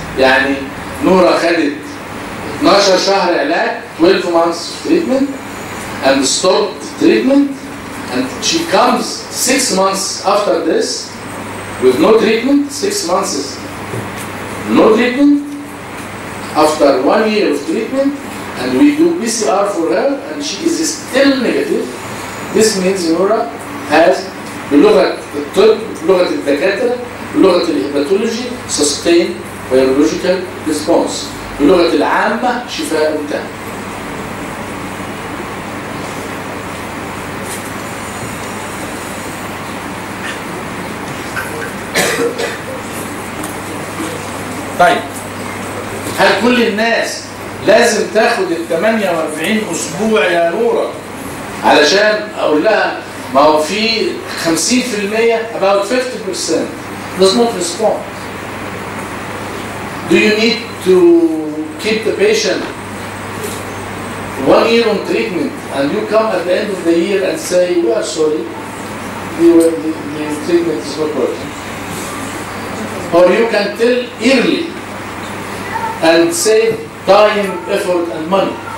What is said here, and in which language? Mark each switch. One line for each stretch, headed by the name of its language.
Arabic: يعني نورا خدت 12 شهر علاج
English: 12 months of treatment and stopped treatment and she comes 6 months after this with no treatment. 6 months is no treatment after 1 year of treatment and we do PCR for her and she is still negative. This means Nora has
Arabic: بلغة الطب, بلغة الدكاترة, بلغة الهيباتولوجي
English: sustained biological response.
Arabic: بلغة العامة شفاء تام. طيب هل كل الناس لازم تاخد ال 48 اسبوع يا نورة علشان اقول لها ما هو في 50%
English: about 50% does not respond. Do you need to keep the patient 1 year on treatment and you come at the end of the year and say we are sorry, the treatment is not working. Or you can tell early and save time, effort and money.